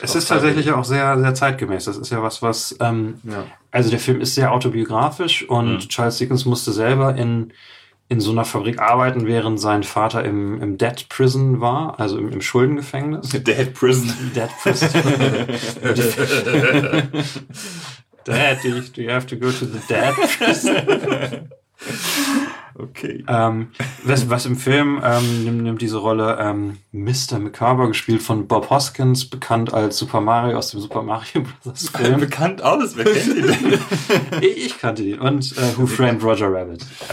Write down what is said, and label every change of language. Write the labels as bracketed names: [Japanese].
[German] Es ist tatsächlich auch sehr, sehr zeitgemäß. Das ist ja was... Also der Film ist sehr autobiografisch und Charles Dickens musste selber in so einer Fabrik arbeiten, während sein Vater im Debt Prison war, also im Schuldengefängnis. [English] Debt Prison. Daddy, do you have to go to the Debt Prison? [German] Okay. Was im Film nimmt diese Rolle Mr. McCarver, gespielt von Bob Hoskins, bekannt als Super Mario aus dem Super Mario Bros. Film. Bekannt aus? Wer kennt ihn denn? Ich kannte ihn. Und Who Framed Roger Rabbit.